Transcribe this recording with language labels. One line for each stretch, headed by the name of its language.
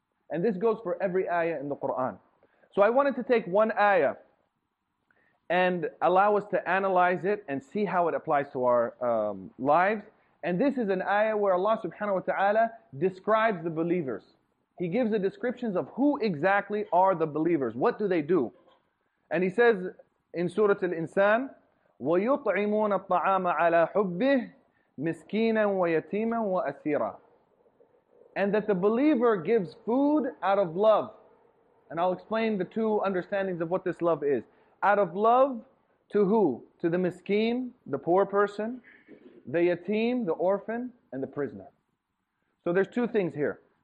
English: And this goes for every ayah in the Quran. So I wanted to take one ayah and allow us to analyze it and see how it applies to our lives. And this is an ayah where Allah subhanahu wa ta'ala describes the believers. He gives the descriptions of who exactly are the believers. What do they do? And he says in Surah Al-Insan,
Arabic: وَيُطْعِمُونَ الطَّعَامَ عَلَى حُبِّهِ مِسْكِينًا وَيَتِيمًا وَأَسِيرًا.
English: And that the believer gives food out of love. And I'll explain the two understandings of what this love is. Out of love to who? To the miskeen, the poor person, the yatim, the orphan, and the prisoner. So there's two things here.